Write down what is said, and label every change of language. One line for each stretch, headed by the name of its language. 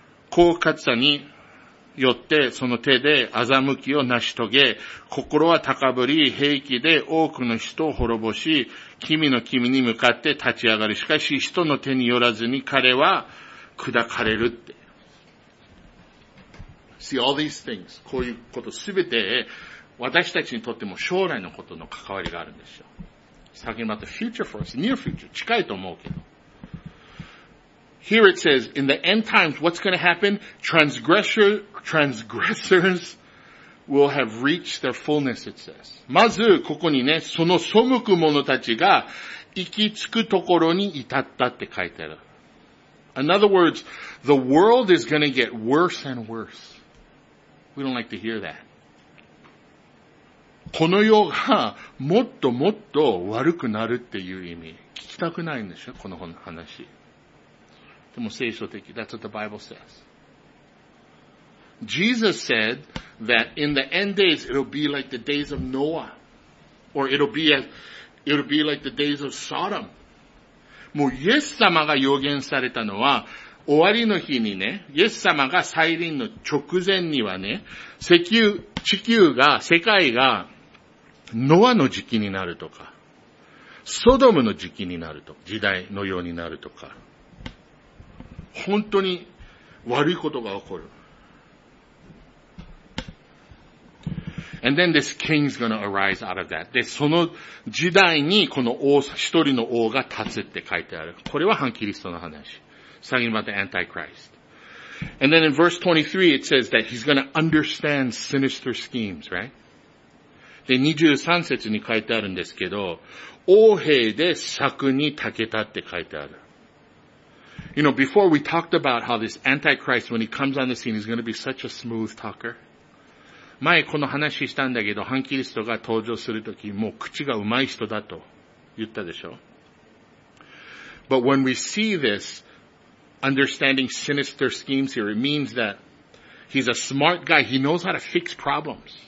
Japanese: 狡猾さによってその手で欺きを成し遂げ、心は高ぶり、兵器で多くの人を滅ぼし、君の君に向かって立ち上がる。しかし人の手によらずに彼は砕かれるって。
English: See all these things.
Japanese: こういうことすべて私たちにとっても将来のことの関わりがあるんですよ。
English: It's talking about the future for us, near future.
Japanese: 近いと思うけど。
English: Here it says, in the end times, what's going to happen? Transgressors will have reached their fullness, it says.
Japanese: まず、ここにね、その背く者たちが行き着くところに至ったって書いてある。
English: In other words, the world is going to get worse and worse. We don't like to hear that.
Japanese: この世がもっともっと悪くなるっていう意味。聞きたくないんでしょ、この話。でも聖書的。
English: That's what the Bible says. Jesus said that in the end days, it'll be like the days of Noah. Or it'll be like the days of Sodom.
Japanese: もうイエス様が予言されたのは、終わりの日にね、イエス様が再臨の直前にはね、地球が、世界が、ノアの時期になるとか、ソドムの時期になると、時代のようになるとか、本当に悪いことが起こる。
English: And then this king's gonna arise out of that.
Japanese: で、その時代にこの王、一人の王が立つって書いてある。これは反キリストの話。
English: Talking about the Antichrist. And then in verse 23, it says that he's gonna understand sinister schemes, right?
Japanese: で、23節に書いてあるんですけど、王兵で策に長けたって書いてある。
English: You know, before we talked about how this Antichrist, when he comes on the scene, he's going to be such a smooth talker.
Japanese: 前この話したんだけど、反キリストが登場するとき、もう口が上手い人だと言ったでしょ。
English: But when we see this, understanding sinister schemes here, it means that he's a smart guy, he knows how to fix problems.